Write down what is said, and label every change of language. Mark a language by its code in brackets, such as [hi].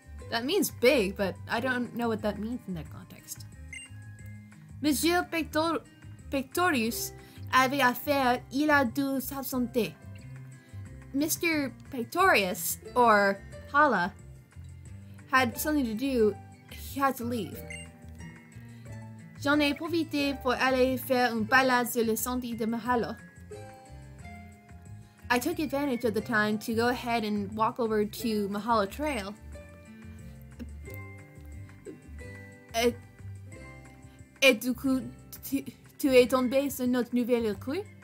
[en] That means big, but I don't know what that means in that context. [fr] Monsieur Pectorius avait affaire, il a dû s'absenter. [en] Mr. Pectorius, or Hala, had something to do, he had to leave. [fr] J'en ai profité pour aller faire une balade sur le sentier de Mahalo. [en] I took advantage of the time to go ahead and walk over to Mahalo Trail. [fr] Et du coup, tu es tombé sur notre nouvelle recrue?